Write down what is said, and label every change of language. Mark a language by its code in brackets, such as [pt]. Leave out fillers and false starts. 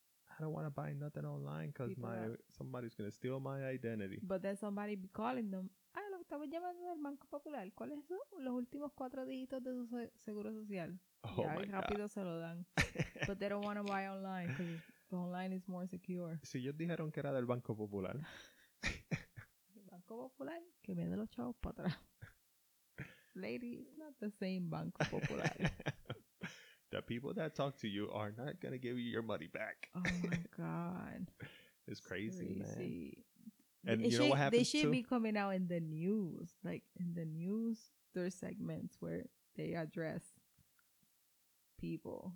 [en] I don't want to buy nothing online because somebody's going to steal my identity. But then somebody be calling them. [es] Ah, lo estamos llamando del Banco Popular. ¿Cuál es eso? Los últimos cuatro dígitos de su seguro social. [en] Oh, yeah, my God. [es] Rápido se lo dan. [en] But they don't want to buy online because online is more secure. [es] Si ellos dijeron que era del Banco Popular. El Banco Popular, que me dé los chavos para atrás. [en] Lady, it's not the same Banco Popular. The people that talk to you are not going to give you your money back. Oh, my God. It's crazy, man. And you know what happens, too? They should be coming out in the news. Like, in the news, there's segments where they address people.